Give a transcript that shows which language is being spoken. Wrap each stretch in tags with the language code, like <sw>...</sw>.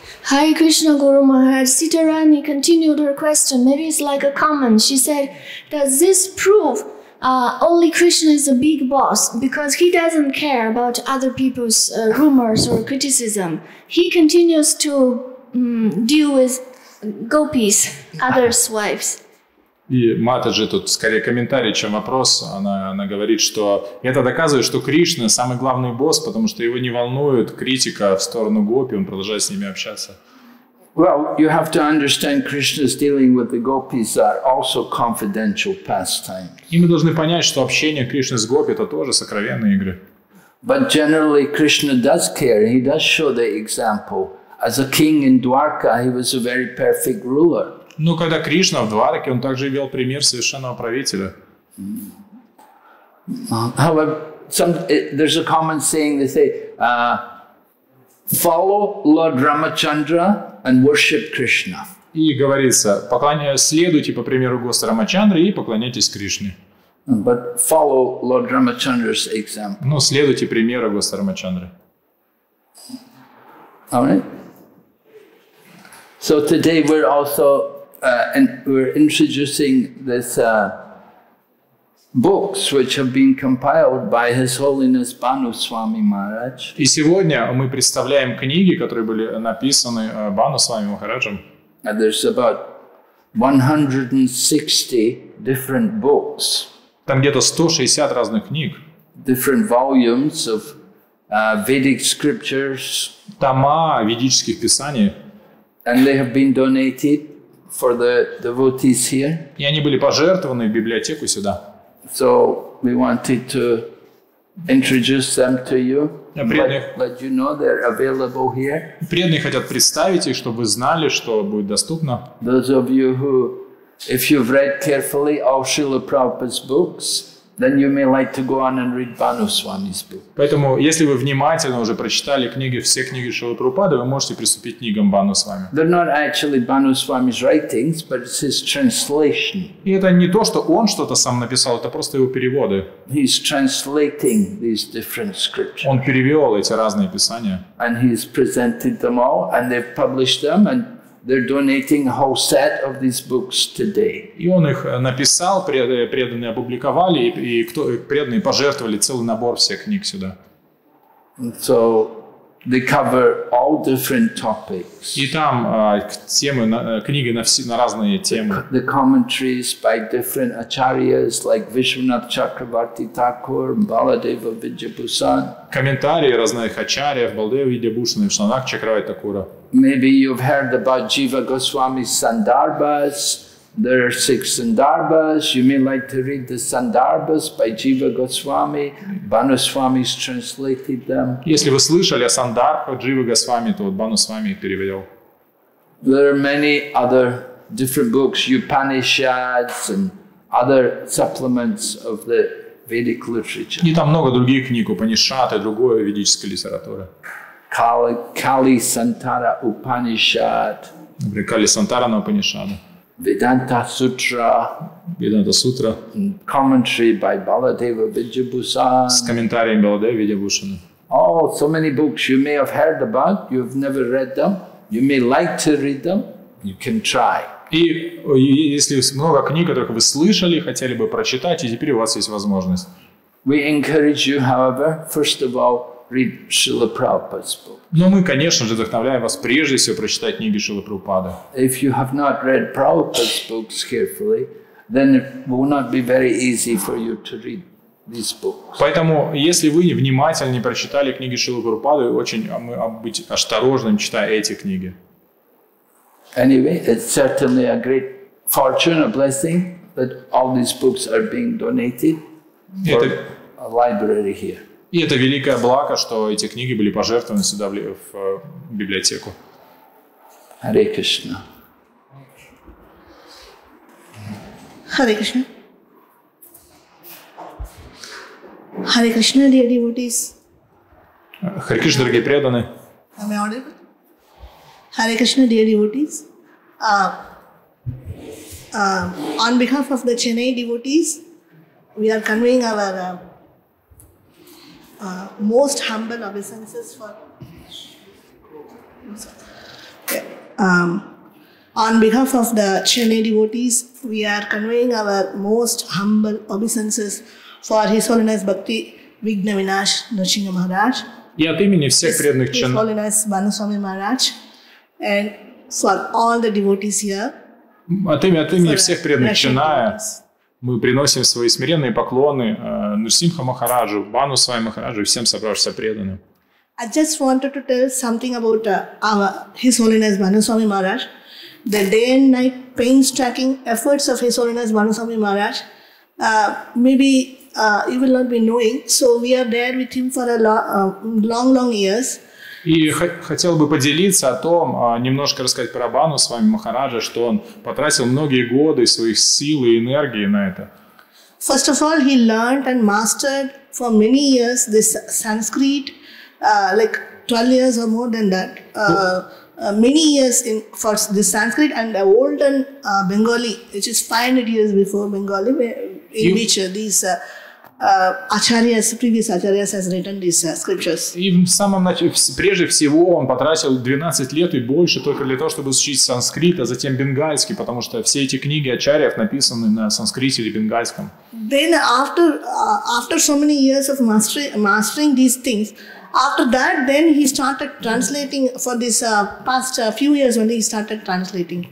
<en>Hare Krishna Guru Maharaj, Sitarani continued her question, maybe it's like a comment. She said, does this prove only Krishna is a big boss because he doesn't care about other people's rumors or criticism? He continues to deal with gopis, others' wives.</en> <ru>И Матаджи тут скорее комментарий, чем вопрос. Она говорит, что это доказывает, что Кришна самый главный босс, потому что его не волнует критика в сторону гопи, он продолжает с ними общаться.</ru> <en>Well, you have to understand Krishna's dealing with the gopis are also confidential pastimes.</en> <ru>И мы должны понять, что общение Кришны с гопи это тоже сокровенные игры.</ru> <en>But generally Krishna does care. He does show the example. As a king in Dwarka, he was a very perfect ruler.</en> <ru>Но когда Кришна в Двараке, он также вел пример совершенного правителя.</ru> <en>However, there's a common saying, they say, follow Lord Ramachandra and worship Krishna.</en> <ru>И говорится, следуйте по примеру Госа Рамачандры и поклоняйтесь Кришне.</ru> <en>But follow Lord Ramachandra's example.</en> <ru>Но следуйте примеру Госа Рамачандры.</ru> <en>Alright. So today we're also and we're introducing this books which have been compiled by His Holiness Bhanu Swami Maharaj.</en> <ru>И сегодня мы представляем книги, которые были написаны Бхану Свами Махараджем.</ru> <en>There's about 160 different books.</en> <ru>Там где-то 160 разных книг.</ru> <en>Different volumes of Vedic scriptures.</en> <ru>Тома ведических писаний.</ru> <en>And they have been donated for the devotees here.</en> <ru>И они были пожертвованы в библиотеку сюда.</ru> <en>So we wanted to introduce them to you.</en> <ru>Преданные,</ru> <en>you know they're available here.</en> <ru>Преданные хотят представить их, чтобы вы знали, что будет доступно.</ru> <en>Those of you who, if you've read carefully all Srila Prabhupada's books, then you may like to go on and read Bhanu Swami's book.</en> <ru>Поэтому, если вы внимательно уже прочитали книги, все книги Шрилы Прабхупады, вы можете приступить к книгам Бхану Свами.</ru> <en>They're not actually Bhanu Swami's writings, but it's his translation.</en> <ru>И это не то, что он что-то сам написал, это просто его переводы.</ru> <en>He's translating these different scriptures.</en> <ru>Он перевел эти разные писания.</ru> <en>And he's presented them all, and they've published them, and they're donating a whole set of these books today.</en> <ru>И он их написал, преданные опубликовали, и преданные пожертвовали целый набор всех книг сюда.</ru> <en>So They cover all different topics.</en> <ru>И там темы, книги на разные темы.</ru> <en>The commentaries by different acharyas like Vishwanath Chakravarti Thakur, Baladeva Vidyabhusan.</en> <ru>Комментарии разных ачарьев, Баладева Видьябхусана, Вишванатх Чакраварти Такура.</ru> <en>Maybe you've heard about Jiva Goswami's Sandarbhas. There are six Sandarbhas. You may like to read the Sandarbhas by Jiva Goswami. Bhanu Swami has translated them.</en> <ru>Если вы слышали о Сандарбхах Джива Госвами, то вот Бану Свами их перевел.</ru> <en>There are many other different books, Upanishads and other supplements of the Vedic literature.</en> <ru>И там много других книг, Упанишад и другое ведическое литература.</ru> <en>Kali Santara Upanishad.</en> <ru>Kali Santara на Упанишады.</ru> <en>Vedanta Sutra.</en> <ru>Vedanta Sutra.</ru> <en>Commentary by Baladeva Vidyabhusan.</en> <ru>С комментарием Баладевы Видьябхусана.</ru> <en>Oh, so many books you may have heard about, you've never read them. You may like to read them. You can try.</en> <ru>И если много книг, которых вы слышали, хотели бы прочитать, и теперь у вас есть возможность.</ru> <en>We encourage you, however, first of all, read Srila Prabhupada's book.</en> <ru>Но мы, конечно же, вдохновляем вас прежде всего прочитать книги Шрилы Прабхупады.</ru> <en>If you have not read Prabhupada's books carefully, then it will not be very easy for you to read these books.</en> <ru>Поэтому, если вы внимательно не прочитали книги Шрилы Прабхупады, очень быть осторожным, читая эти книги.</ru> <en>Anyway, it's certainly a great fortune, a blessing that all these books are being donated for a library here.</en> <ru>И это великое благо, что эти книги были пожертвованы сюда в библиотеку. Харе Кришна. Харе Кришна.</ru> <en>Харе Кришна, dear devotees.</en> <ru>Харе Кришна, дорогие преданные.</ru> <en>Am I audible? Харе Кришна, dear devotees. On behalf of the Chennai devotees, we are conveying our most humble obeisances on behalf of the Chennai devotees, we are conveying our most humble obeisances for His Holiness Bhakti Vigna Vinash Nrsimha Maharaj.</en> <ru>И от имени всех преданных</ru> <en>Chennai. His Holiness Bhanu Swami Maharaj and for all the devotees here.</en> <ru>От имени всех преданных Chennai. Мы приносим свои смиренные поклоны Нрсимха Махараджу, Бану Свами Махараджу и всем собравшимся преданным.</ru> <en>I just wanted to tell something about His Holiness Bhanu Swami Maharaj. The day and night painstaking efforts of His Holiness Bhanu Swami Maharaj, maybe you will not be knowing. So we are there with Him for a long, long years.</en> <ru>И хотел бы поделиться о том, немножко рассказать про Бану Свами Махараджа, что он потратил многие годы своих сил и энергии на это.</ru> <en>First of all, he learned and mastered for many years this Sanskrit, like 12 years or more than that. Many years in for this Sanskrit and the olden Bengali, which is 500 years before Bengali, in you... which these Acharyas, previous Acharyas has written these scriptures.</en> <ru>И в самом начале, прежде всего, он потратил 12 лет и больше только для того, чтобы учить санскрит, а затем бенгальский, потому что все эти книги Ачарьев написаны на санскрите или бенгальском.</ru> <en>Then after so many years of mastering these things, after that, then he started translating for this past few years only he started translating.</en>